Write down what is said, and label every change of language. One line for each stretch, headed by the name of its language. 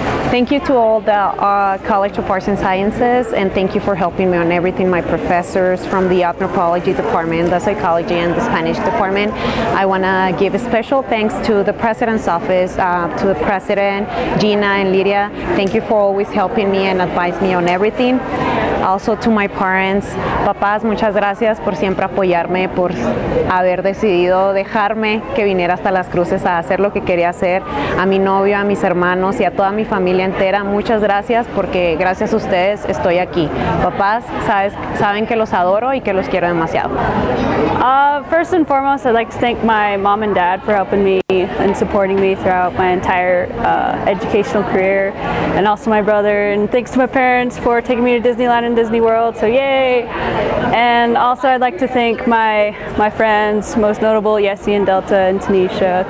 English: Thank you to all the College of Arts and Sciences, and thank you for helping me on everything, my professors from the Anthropology Department, the Psychology and the Spanish Department. I want to give a special thanks to the President's Office, to the President, Gina and Lydia. Thank you for always helping me and advising me on everything. Also to my parents,
Spanish: papás, muchas gracias por siempre apoyarme, por haber decidido dejarme que viniera hasta Las Cruces a hacer lo que quería hacer, a mi novio, a mis hermanos y a toda mi familia entera, muchas gracias porque gracias a ustedes estoy aquí. Papás, saben que los adoro y que los quiero demasiado.
English: First and foremost, I'd like to thank my mom and dad for helping me and supporting me throughout my entire educational career, and also my brother, and thanks to my parents for taking me to Disneyland in Disney World, so yay! And also I'd like to thank my friends, most notable Yessie and Delta and Tanisha.